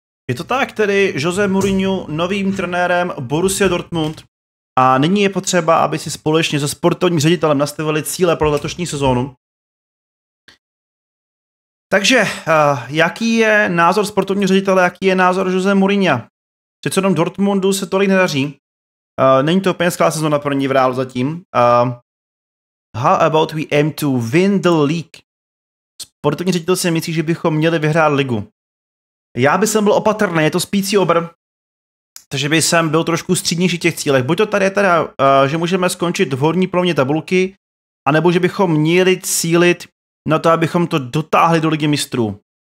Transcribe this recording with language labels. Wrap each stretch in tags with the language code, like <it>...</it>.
<cs>Je to tak, tedy Jose Mourinho novým trenérem Borussia Dortmund a nyní je potřeba, aby si společně se sportovním ředitelem nastavili cíle pro letošní sezónu. Takže, jaký je názor sportovního ředitele, jaký je názor Jose Mourinha? Přece jenom Dortmundu se tolik nedaří. Není to úplně skvělá sezóna pro ní v reálu zatím.</cs> <en>How about we aim to win the league?</en> <cs>Sportovní ředitel si myslí, že bychom měli vyhrát ligu. Já bych byl opatrný, je to spící obr, takže by jsem byl trošku střídnější v těch cílech. Buď to tady je teda, že můžeme skončit v horní polovině tabulky, anebo že bychom měli cílit na to, abychom to dotáhli do Ligy mistrů.</cs>